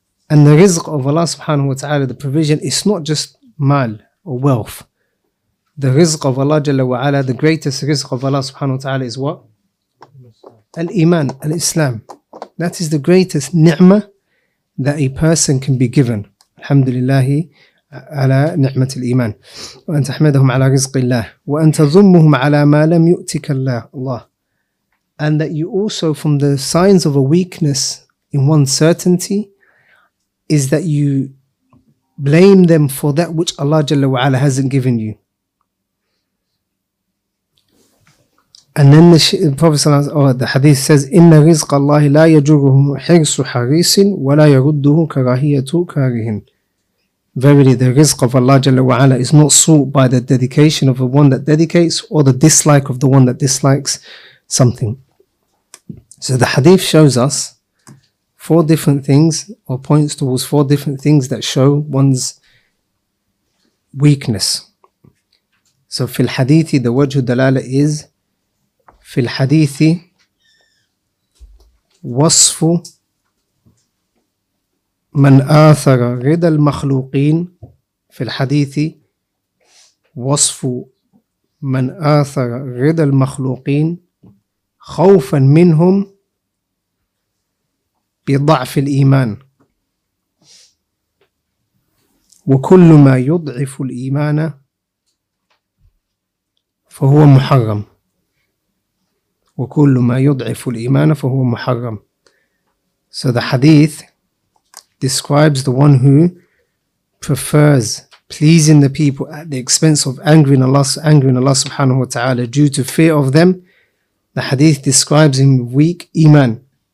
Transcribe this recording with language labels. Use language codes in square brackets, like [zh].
[en] And the rizq of Allah subhanahu wa ta'ala, the provision, it's not just mal or wealth. The rizq of Allah Jalla wa Ala, the greatest rizq of Allah subhanahu wa ta'ala is what? Al-Iman, Al-Islam. That is the greatest ni'mah that a person can be given. Alhamdulillah. [ar] على نعمة الإيمان وأن تحمدهم على رزق الله وأن تذمهم على ما لم يؤتك الله. [en] And that you also, from the signs of a weakness in one certainty, is that you blame them for that which Allah Jalla wa Ala hasn't given you. And then the Prophet or the Hadith says, [ar] إِنَّ رِزْقَ اللَّهِ لَا يَجُرُهُ حِرْسُ حَرِيسٍ وَلَا يَرُدُّهُ كَرَاهِيَةُ كَارِهٍ. [en] Verily, the rizq of Allah Jalla wa Ala is not sought by the dedication of the one that dedicates or the dislike of the one that dislikes something. So the hadith shows us four different things, or points towards four different things that show one's weakness. [ar] So fil hadithi, the wajhu dalala is fil hadithi wasfu من آثر رضا المخلوقين في الحديث وصف من آثر رضا المخلوقين خوفا منهم بضعف الإيمان وكل ما يضعف الإيمان فهو محرم وكل ما يضعف الإيمان فهو محرم. [en] So the hadith describes the one who prefers pleasing the people at the expense of angering Allah subhanahu wa ta'ala due to fear of them. The hadith describes him weak iman.